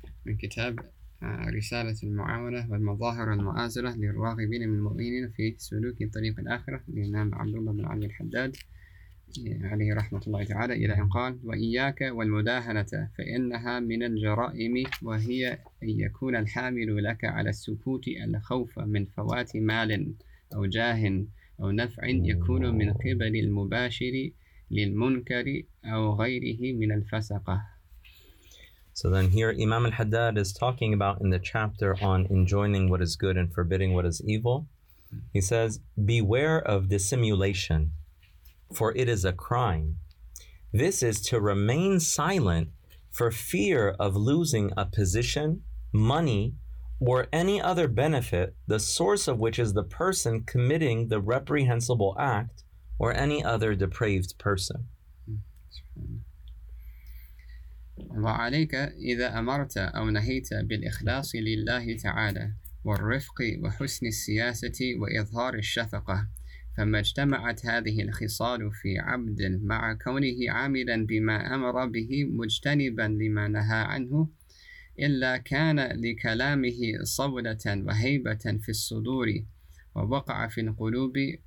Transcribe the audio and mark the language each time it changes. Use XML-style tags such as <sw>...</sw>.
<ar>Min kitab رساله المعاونه والمظاهر المؤازره للراغبين من المؤمنين في سلوك طريق الاخره للامام عبد الله بن علي الحداد عليه رحمه الله تعالى الى ان قال واياك والمداهنه فانها من الجرائم وهي ان يكون الحامل لك على السكوت الخوف من فوات مال او جاه او نفع يكون من قبل المباشر للمنكر او غيره من الفسقه.</ar> <en>So then here Imam al-Haddad is talking about in the chapter on enjoining what is good and forbidding what is evil. He says, beware of dissimulation, for it is a crime. This is to remain silent for fear of losing a position, money, or any other benefit, the source of which is the person committing the reprehensible act or any other depraved person.</en> <ar>وعليك إذا أمرت أو نهيت بالإخلاص لله تعالى والرفق وحسن السياسة وإظهار الشفقة فما اجتمعت هذه الخصال في عبد مع كونه عاملا بما أمر به مجتنبا لما نهى عنه إلا كان لكلامه صولة وهيبة في الصدور ووقع في القلوب</ar>